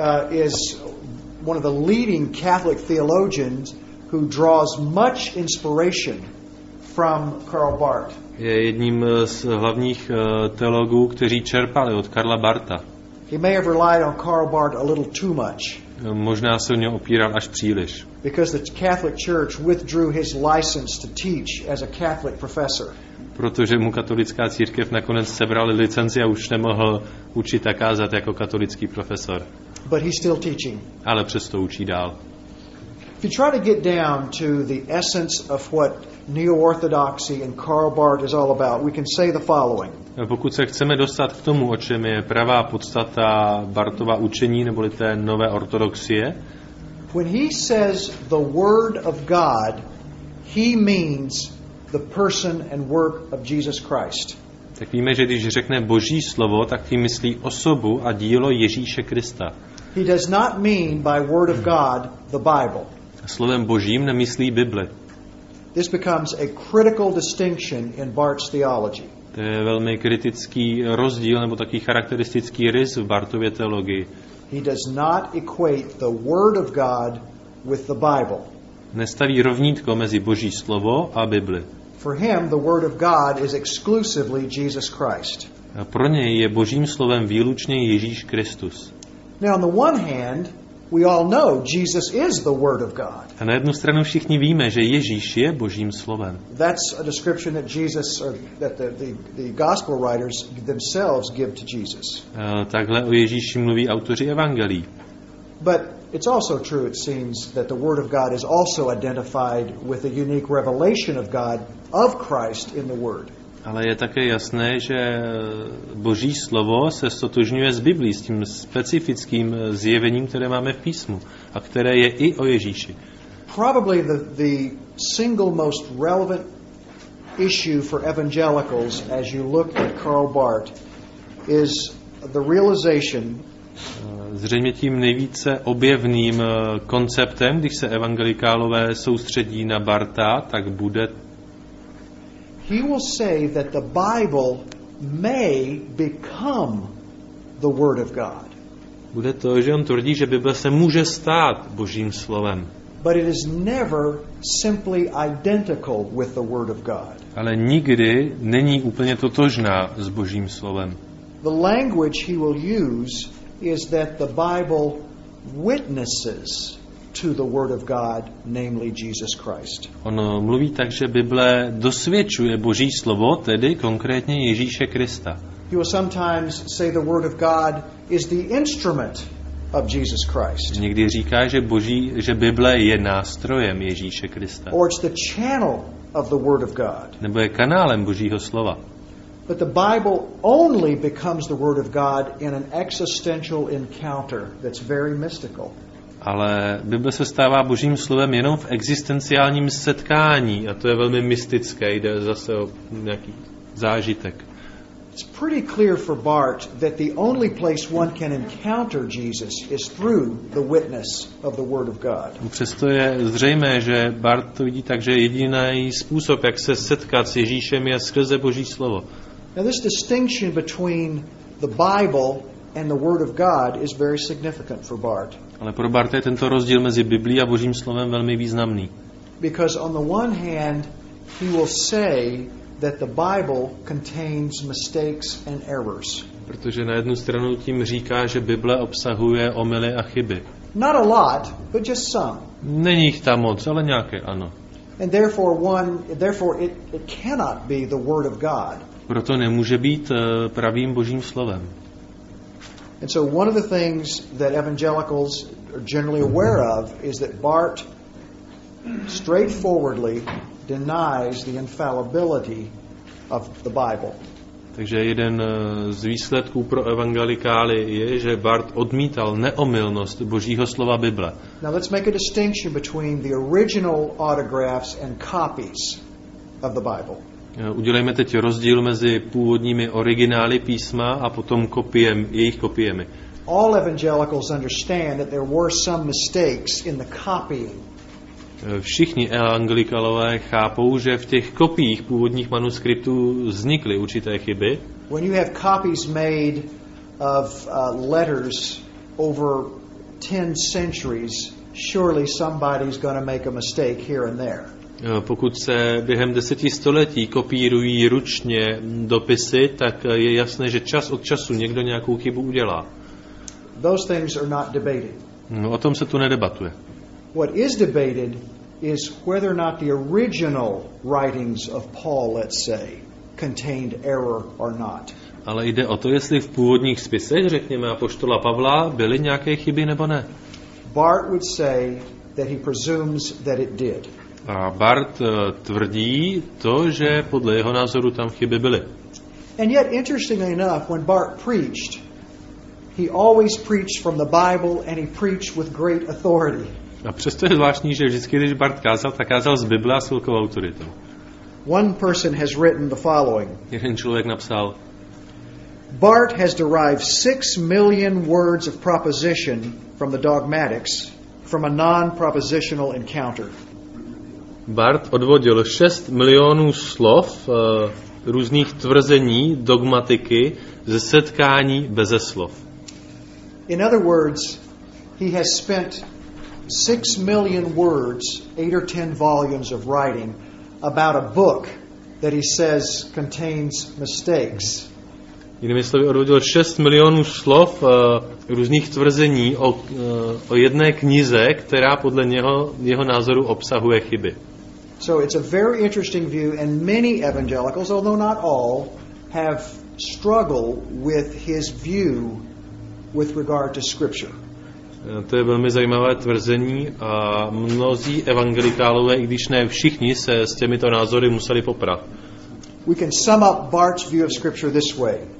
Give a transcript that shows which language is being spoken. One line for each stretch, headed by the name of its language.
English: Is one of the leading Catholic theologians who draws much inspiration from Karl Barth.
Czech: Je jedním z hlavních teologů, kteří čerpali od Karla Bartha.
English: He may have relied on Karl Barth a little too much.
Czech: Možná se o něj opíral až příliš.
English: Because the Catholic Church withdrew his license to teach as a Catholic professor.
Czech: Protože mu katolická církev nakonec sebrali licenci a už nemohl učit a kázat jako katolický profesor.
English: But he's still teaching.
Czech: Ale přesto učí dál.
English: If you try to get down to the essence of what neo-orthodoxy and Karl Barth is all about, we can say the following.
Czech: Pokud se chceme dostat k tomu, o čem je pravá podstata Barthova učení neboli té nové ortodoxie.
English: When he says the word of God, he means the person and work of Jesus Christ.
Czech: Tak víme, že když řekne Boží slovo, tak tím myslí osobu a dílo Ježíše Krista.
English: He does not mean by word of God the Bible.
Czech: Slovem Božím nemyslí Bibli.
English: This becomes a critical distinction in Barth's theology.
Czech: To je velmi kritický rozdíl nebo taký charakteristický rys v Barthově teologii.
English: He does not equate the word of God with the Bible.
Czech: Nestaví rovnítko mezi Boží slovo a Bibli.
English: For him the word of God is exclusively Jesus Christ.
Czech: A pro něj je Božím slovem výlučně Ježíš Kristus.
English: Now on the one hand, we all know Jesus is the word of God.
Czech: A na jednu stranu všichni víme, že Ježíš je Božím slovem.
English: That's a description that Jesus or that the gospel writers themselves give to Jesus.
Czech: Takhle o Ježíši mluví autoři evangelií.
English: But it's also true, it seems, that the word of God is also identified with a unique revelation of God of Christ in the word.
Czech: Ale je také jasné, že Boží slovo se stotožňuje s Biblí, s tím specifickým zjevením, které máme v písmu a které je i o Ježíši.
English: Probably the single most relevant issue for evangelicals as you look at Karl Barth is the realization.
Czech: Zřejmě tím nejvíce objevným konceptem, když se evangelikálové soustředí na Bartha, tak bude.
English: He will say that the Bible may become the word of God.
Czech: Bude to, že on tvrdí, že Bible se může stát Božím slovem.
English: But it is never simply identical with the word of God.
Czech: Ale nikdy není úplně totožná s Božím slovem.
English: The language he will use is that the Bible witnesses to the word of God, namely Jesus Christ.
Czech: On mluví tak, že Bible dosvědčuje Boží slovo, tedy konkrétně Ježíše Krista.
English: He will sometimes say the word of God is the instrument of Jesus Christ.
Czech: Někdy říká, že Bible je nástrojem Ježíše Krista.
English: Or it's the channel of the word of God.
Czech: Nebo je kanálem Božího slova.
English: But the Bible only becomes the word of God in an existential encounter that's very mystical.
Czech: Ale Bible se stává Božím slovem jenom v existenciálním setkání, a to je velmi mystické, jde zase o nějaký zážitek.
English: It's pretty clear for Barth that the only place one can encounter Jesus is through the witness of the word of God.
Czech: Přesto je zřejmé, že Barth to vidí tak, že jediný způsob, jak se setkat s Ježíšem, je skrze Boží slovo.
English: Now this distinction between the Bible and the word of God is very significant for Barth.
Czech: Ale pro Bartha je tento rozdíl mezi Biblí a Božím slovem velmi významný.
English: Because on the one hand he will say that the Bible contains mistakes and errors.
Czech: Protože na jednu stranu tím říká, že Bible obsahuje omily a chyby.
English: Not a lot, but just some.
Czech: Není jich tam moc, ale nějaké, ano.
English: And therefore it cannot be the word of God.
Czech: Proto nemůže být pravým Božím slovem.
English: And so one of the things that evangelicals are generally aware of is that Barth straightforwardly denies the infallibility of the Bible.
Czech: Takže jeden z výsledků pro evangelikály je, že Barth odmítal neomylnost Božího slova Bible.
English: Now let's make a distinction between the original autographs and copies of the Bible.
Czech: Udělejme teď rozdíl mezi původními originály písma a potom jejich kopiemi.
English: All evangelicals understand that there were some mistakes in the copying.
Czech: Všichni evangelikalové chápou, že v těch kopiích původních manuskriptů vznikly určité chyby.
English: When you have copies made of letters over 10 centuries, surely somebody's going to make a mistake here and there.
Czech: Pokud se během 10 století kopírují ručně dopisy, tak je jasné, že čas od času někdo nějakou chybu udělá.
English: Those things are not debated.
Czech: O tom se tu nedebatuje.
English: What is debated is whether or not the original writings of Paul, let's say, contained error or not.
Czech: Ale jde o to, jestli v původních spisech, řekněme apoštola Pavla, byly nějaké chyby nebo ne.
English: Barth would say that he presumes that it did.
Czech: A Bart tvrdí to, že podle jeho názoru tam chyby byly.
English: And yet, interestingly enough, when Bart preached, he always preached from the Bible and he preached with great authority.
Czech: A přesto je zvláštní, že vždycky, když Bart kázal, tak kázal z Bible a s velkou autoritou.
English: One person has written the following.
Czech: Jeden člověk napsal:
English: Bart has derived 6 million words of proposition from the dogmatics from a non-propositional encounter.
Czech: Bart odvodil 6 milionů slov různých tvrzení dogmatiky ze setkání beze slov.
English: In other words, he has spent 6 million words, 8 or 10 volumes of writing about a book that he says contains mistakes.
Czech: Jinými slovy, odvodil 6 milionů slov různých tvrzení o jedné knize, která podle jeho názoru obsahuje chyby.
English: So it's a very interesting view, and many evangelicals, although not all, have struggled with his view with regard to scripture.
Czech: To je velmi zajímavé tvrzení a mnozí evangelikálové, i když ne všichni, se s těmito názory museli poprat.
English: We can sum up Bart's view of scripture this way.